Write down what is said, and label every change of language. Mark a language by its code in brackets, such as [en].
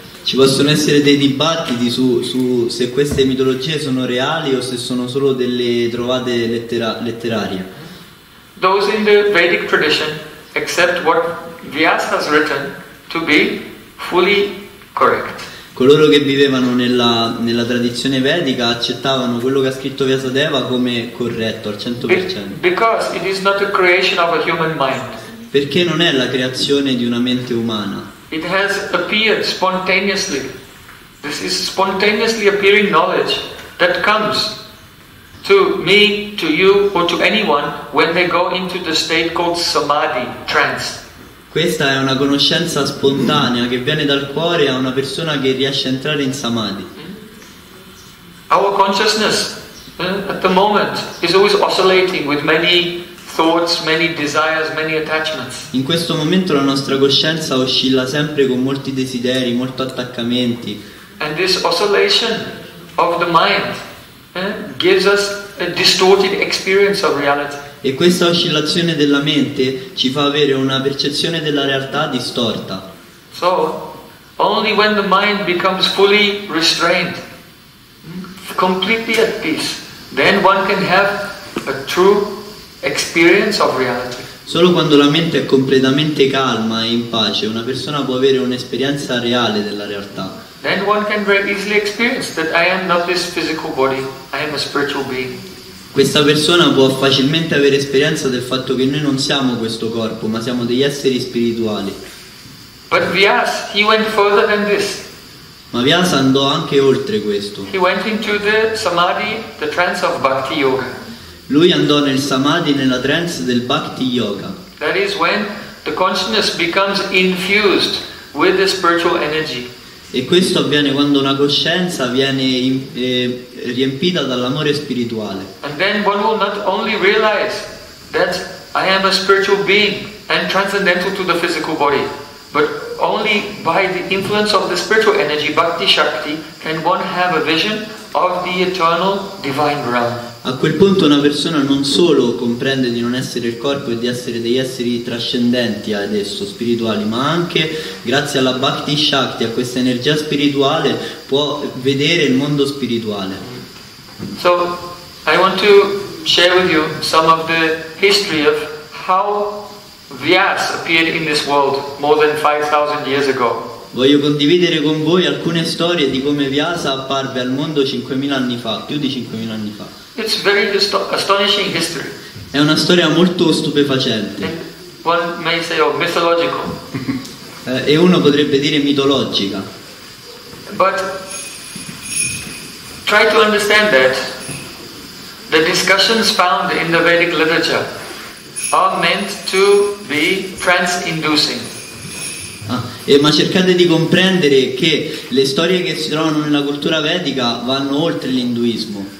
[it] Ci possono essere dei dibattiti su se queste mitologie sono reali o se sono solo delle trovate letterarie. [en] Those in the Vedic tradition accept what Vyasa has written to be fully correct. [it] Coloro che vivevano nella tradizione vedica accettavano quello che ha scritto Vyasadeva come corretto al 100%. [en] Because it is not a creation of a human mind. [it] Perché non è la creazione di una mente umana. [en] It has appeared spontaneously. This is spontaneously appearing knowledge that comes to me, to you, or to anyone when they go into the state called samadhi, trance. [it] Questa è una conoscenza spontanea che viene dal cuore a una persona che riesce a entrare in samadhi. [en] Our consciousness at the moment is always oscillating with many thoughts, many desires, many attachments. [it] In questo momento la nostra coscienza oscilla sempre con molti desideri, molti attaccamenti. [en] And this oscillation of the mind gives us a distorted experience of reality. [it] E questa oscillazione della mente ci fa avere una percezione della realtà distorta. [en] So, only when the mind becomes fully restrained, completely at peace, then one can have a true experience of reality. [it] Solo quando la mente è completamente calma e in pace, una persona può avere un'esperienza reale della realtà. [en] Then one can very easily experience that I am not this physical body, I am a spiritual being. [it] Questa persona può facilmente avere esperienza del fatto che noi non siamo questo corpo, ma siamo degli esseri spirituali. [en] But Vyas, he went further than this. [it] Ma Vyas andò anche oltre questo. [en] He went into the samadhi, the trance of bhakti yoga. [it] Lui andò nel samadhi, nella trance del bhakti yoga. [en] That is when the consciousness becomes infused with the spiritual energy. [it] E questo avviene quando una coscienza viene riempita dall'amore spirituale. [en] And then one will not only realize that I am a spiritual being and transcendental to the physical body, but only by the influence of the spiritual energy, bhakti shakti, can one have a vision of the eternal divine realm. [it] A quel punto una persona non solo comprende di non essere il corpo e di essere degli esseri trascendenti adesso, spirituali, ma anche grazie alla Bhakti Shakti, a questa energia spirituale, può vedere il mondo spirituale. [en] So, I want to share with you some of the history of how Vyas appeared in this world more than 5,000 years ago. [it] Voglio condividere con voi alcune storie di come Vyasa apparve al mondo 5.000 anni fa, più di 5.000 anni fa. [en] It's very astonishing history. [it] È una storia molto stupefacente. [en] One may say mythological. [it] E uno potrebbe dire mitologica. [en] But try to understand that the discussions found in the Vedic literature are meant to be trance-inducing. [it] Ma cercate di comprendere che le storie che si trovano nella cultura vedica vanno oltre l'induismo.